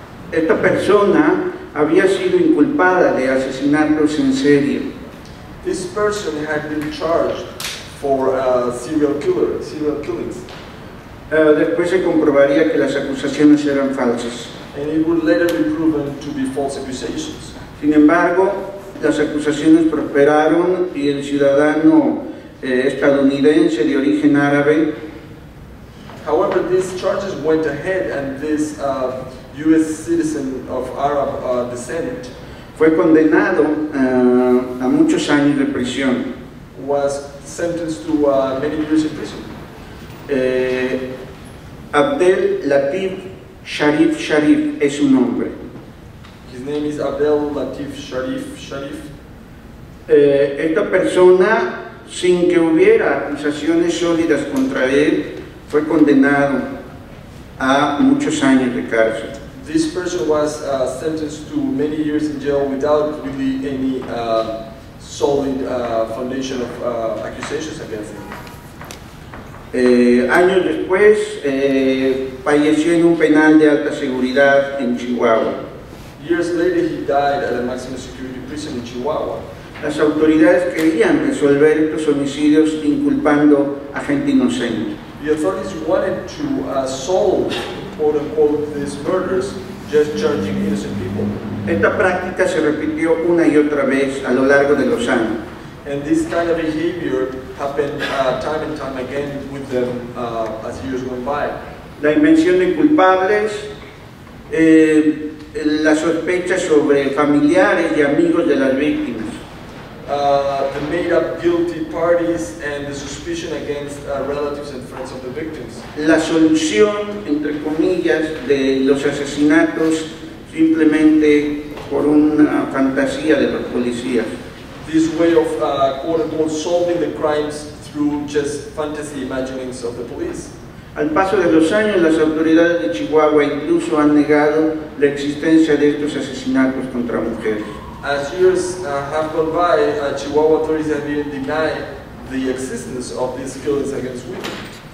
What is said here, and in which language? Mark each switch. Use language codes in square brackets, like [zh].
[es] Esta persona había sido inculpada de asesinatos en serie. [en] This person had been charged for serial killings. [es] Después se comprobaría que las acusaciones eran falsas. [en] And it would later be proven to be false accusations. [es] Sin embargo, las acusaciones prosperaron y el ciudadano estadounidense de origen árabe. [en] However, these charges went ahead, and this U.S. citizen of Arab descent [es] fue condenado a muchos años de prisión. [en] Was sentenced to many years in prison. [es] Abdel Latif Sharif Sharif es su nombre. [en] His name is Abdel Latif Sharif Sharif. [es] Esta persona, sin que hubiera acusaciones sólidas contra él, fue condenado a muchos años de cárcel. [en] This person was sentenced to many years in jail without really any solid foundation of accusations against him. [es] Años después, falleció en un penal de alta seguridad en Chihuahua. [en] Years later, he died at a maximum security prison in Chihuahua. [es] Las autoridades querían resolver estos homicidios inculpando a gente inocente. [en] The authorities wanted to solve, quote unquote, these murders, just charging innocent people. [es] Esta práctica se repitió una y otra vez a lo largo de los años. [en] And this kind of behavior happened time and time again with them as years went by. [es] La invención de culpables, la sospecha sobre familiares y amigos de las víctimas. [en] The made up guilty parties and the suspicion against relatives and friends of the victims. [es] La solución, entre comillas, de los asesinatos simplemente por una fantasía de los policías. [en] This way of quote unquote solving the crimes through just fantasy imaginings of the police. [es] Al paso de los años, las autoridades de Chihuahua incluso han negado la existencia de estos asesinatos contra mujeres. [en] As years have gone by, Chihuahua authorities have even denied the existence of these killings against women.